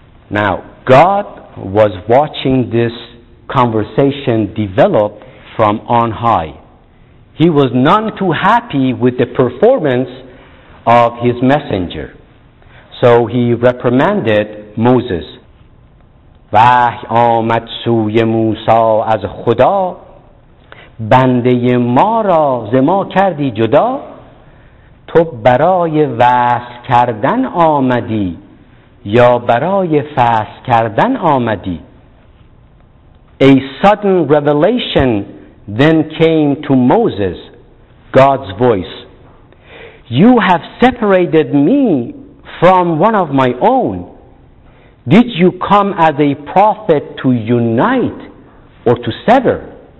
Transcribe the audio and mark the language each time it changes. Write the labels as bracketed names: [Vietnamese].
[English] Now, God was watching this conversation develop from on high. He was none too happy with the performance of his messenger. So he reprimanded Moses. [Persian] وحی آمد سوی موسی از خدا بنده ما را ز ما کردی جدا تو برای وصل کردن آمدی یا برای فصل کردن آمدی. [English] A sudden revelation then came to Moses, God's voice. You have separated me from one of my own. Did you come as a prophet to unite or to sever?